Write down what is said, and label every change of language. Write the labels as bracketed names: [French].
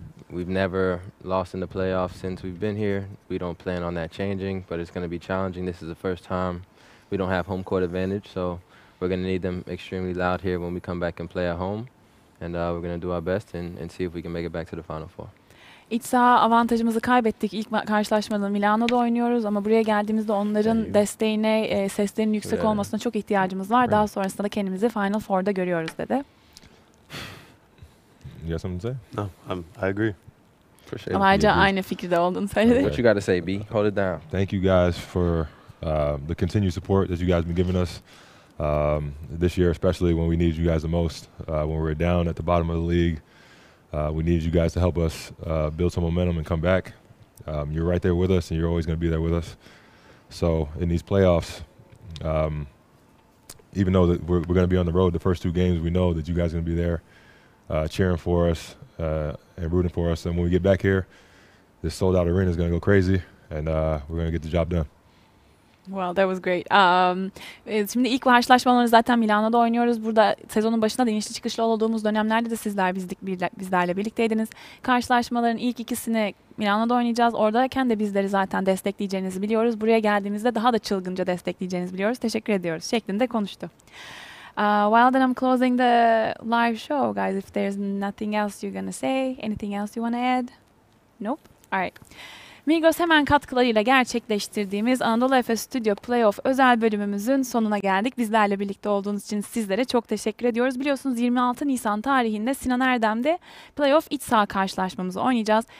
[English] We've never lost in the playoffs since we've been here. We don't plan on that changing, but it's going to be challenging. This is the first time we don't have home court advantage, so we're going to need them extremely loud here when we come back and play at home. And we're going to do our best and see if we can make it back to the Final Four. [Turkish] İç saha avantajımızı kaybettik. İlk karşılaşmada Milano'da oynuyoruz ama buraya geldiğimizde onların desteğine, seslerinin yüksek olmasına çok ihtiyacımız var. Daha sonrasında da kendimizi Final Four'da görüyoruz dedi. [English] You got something to say? No, I agree. Appreciate [Turkish] Elijah, it. Aynı fikirde olduğunu söyledi. [English] What you got to say, B? Hold it down. Thank you guys for the continued support that you guys have been giving us this year, especially when we need you guys the most, when we're down at the bottom of the league. We need you guys to help us build some momentum and come back. You're right there with us, and you're always going to be there with us. So in these playoffs, even though that we're going to be on the road the first two games, we know that you guys are going to be there cheering for us and rooting for us. And when we get back here, this sold-out arena is going to go crazy, and we're going to get the job done. Well, that was great. [Turkish] Şimdi ilk karşılaşmaları zaten Milano'da oynuyoruz. Burada sezonun başında da inişli çıkışlı olduğumuz dönemlerde de sizler bizlerle birlikteydiniz. Karşılaşmaların ilk ikisini Milano'da oynayacağız. Oradayken de bizleri zaten destekleyeceğinizi biliyoruz. Buraya geldiğimizde daha da çılgınca destekleyeceğinizi biliyoruz. Teşekkür ediyoruz şeklinde konuştu. [English] Well, then I'm closing the live show, guys. If there's nothing else you're gonna say, anything else you wanna add? Nope. All right. [Turkish] Migros hemen katkılarıyla gerçekleştirdiğimiz Anadolu Efes Stüdyo Playoff özel bölümümüzün sonuna geldik. Bizlerle birlikte olduğunuz için sizlere çok teşekkür ediyoruz. Biliyorsunuz 26 Nisan tarihinde Sinan Erdem'de Playoff iç saha karşılaşmamızı oynayacağız.